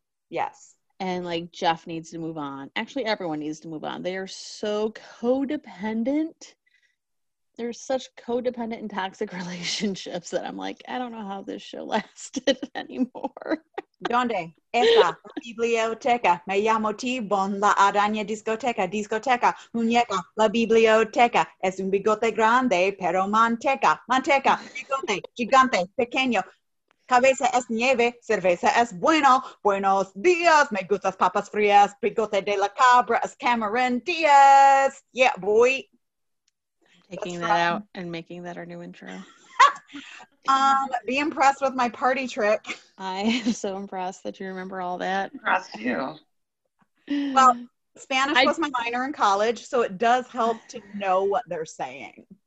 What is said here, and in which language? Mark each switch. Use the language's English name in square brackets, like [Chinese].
[English] Yes. And, like, Jeff needs to move on. Actually, everyone needs to move on. They are so codependent. They're such codependent and toxic relationships that I'm like, I don't know how this show lasted anymore. [Spanish] Donde esta biblioteca? Me llamo Tibon, la araña discoteca, discoteca, muñeca, la biblioteca, es un bigote grande, pero manteca, manteca, bigote, gigante, pequeño, cabeza es nieve, cerveza es bueno, buenos días, me gustas papas frías, bigote de la cabra es Cameron Diaz. [English] Yeah, boy. Taking that out and making that our new intro. Be impressed with my party trick. I am so impressed that you remember all that. Impressed too. Well, Spanish was my minor in college, so it does help to know what they're saying.